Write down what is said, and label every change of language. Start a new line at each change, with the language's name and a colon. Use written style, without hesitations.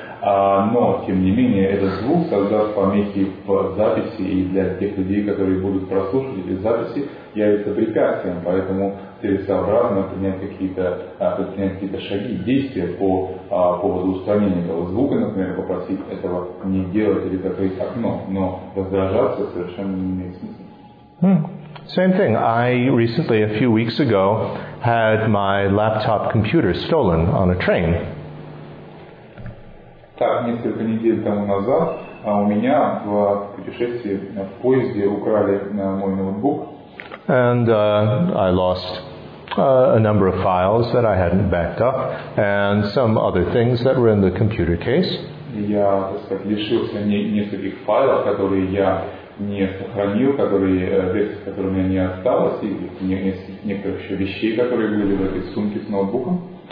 Russian: Но, тем не менее, этот звук создаст помехи в записи, и для тех людей, которые будут прослушивать эти записи, явится препятствием. Поэтому целесообразно предпринять какие-то шаги, действия по поводу устранения этого звука, например, попросить этого не делать или закрыть окно. Но раздражаться совершенно не имеет смысла.
English: Same thing. I recently, a few weeks ago, had my laptop computer stolen on a train.
Russian: Так, несколько недель тому назад у меня в путешествии в поезде украли мой ноутбук.
English: And I lost a number of files that I hadn't backed up and some other things that were in the computer case.
Russian: Я, так сказать, лишился нескольких файлов, которые я не сохранил, вещи, которые у меня не осталось, и некоторых еще вещей, которые были в этой сумке с ноутбуком.